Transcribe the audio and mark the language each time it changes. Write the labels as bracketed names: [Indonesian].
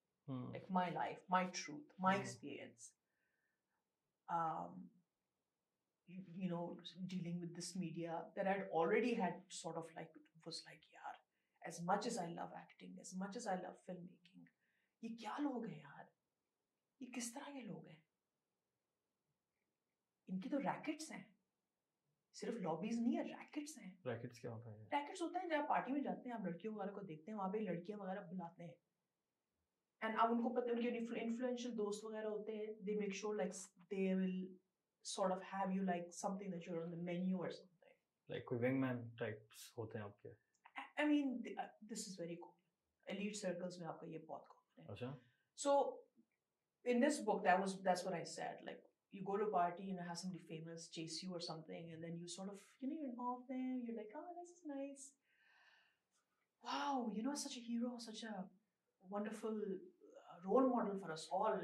[English] Like my life, my truth, my experience, you know, dealing with this media that I'd already had sort of like, was like, yaar, as much as I love acting, as much as I love filmmaking, [Urdu] ye kya log hai yaar, یہ کس طرح کے لوگ ہیں، ان کی تو rickets ہیں، [English] صرف لابیز نہیں ہے، ریکٹس ہیں. [Urdu] ریکٹس کیا ہوتا ہے؟ ریکٹس ہوتا ہے جب آپ پارٹی میں جاتے ہیں، آپ لڑکیوں وغیرہ کو دیکھتے ہیں، وہاں پہ لڑکیاں وغیرہ بلاتے ہیں، اینڈ آپ ان کو پتہ، ان کے انفلوئنشل دوست وغیرہ ہوتے ہیں، [English] they make sure like they will sort of have you like something that you are on the menu [Urdu] اور سم تھنگ، لائک کوئی ونگ مین ٹائپس ہوتے ہیں آپ کے. [English] I mean this is very common, [Urdu] elite circles میں آپ کا یہ بہت کامن ہے. اچھا، [English] So in this book, that was, that's what I said, like, you go to a party, you know, have somebody famous chase you or something, and then you sort of, you know, you're in awe of them, you're like, oh, this is nice, wow, you know, such a hero, such a wonderful role model for us all.